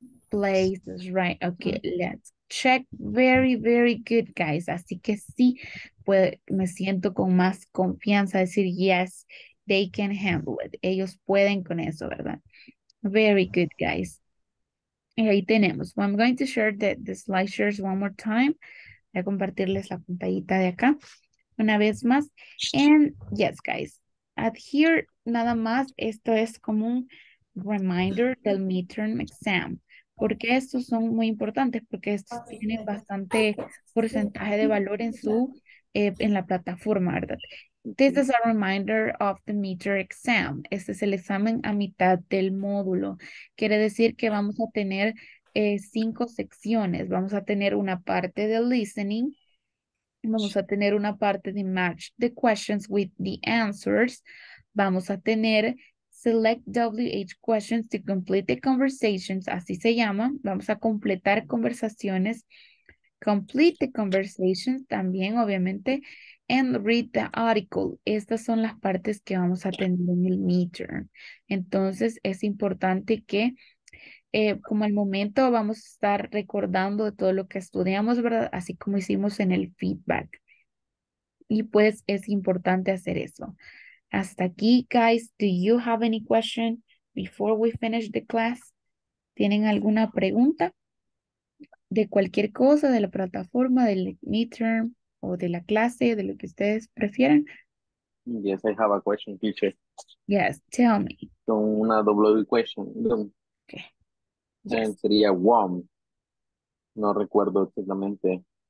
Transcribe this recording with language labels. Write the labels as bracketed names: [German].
[English] Places, right. Okay, let's check. Very, very good, guys. [Spanish] Así que sí, pues me siento con más confianza decir [English] yes, they can handle it. [Spanish] Ellos pueden con eso, ¿verdad? [English] Very good, guys. [Spanish] Y ahí tenemos. [English] Well, I'm going to share the slideshares one more time. [Spanish] Voy a compartirles la pantallita de acá una vez más. [English] And yes, guys, at here, [Spanish] nada más, esto es como un reminder del midterm exam. Porque estos son muy importantes, porque estos tienen bastante porcentaje de valor en su en la plataforma, ¿verdad? [English] This is a reminder of the midterm exam. [Spanish] Este es el examen a mitad del módulo. Quiere decir que vamos a tener cinco secciones. Vamos a tener una parte de listening. Vamos a tener una parte de [English] match the questions with the answers. [Spanish] Vamos a tener [English] select WH questions to complete the conversations. [Spanish] Así se llama. Vamos a completar conversaciones. [English] Complete the conversations [Spanish] también, obviamente. [English] And read the article. [Spanish] Estas son las partes que vamos a tener en el midterm. Entonces, es importante que, como al momento, vamos a estar recordando de todo lo que estudiamos, ¿verdad? Así como hicimos en el feedback. Y pues, es importante hacer eso. Hasta aquí, guys. [English] Do you have any question before we finish the class? [Spanish] ¿Tienen alguna pregunta? De cualquier cosa, de la plataforma, del midterm. O de la clase, de lo que ustedes prefieran. [English] Yes, I have a question, teacher. Yes, tell me. [Spanish] Con una W question. [English] Okay. [Spanish] Yes. Sería one. No recuerdo exactamente.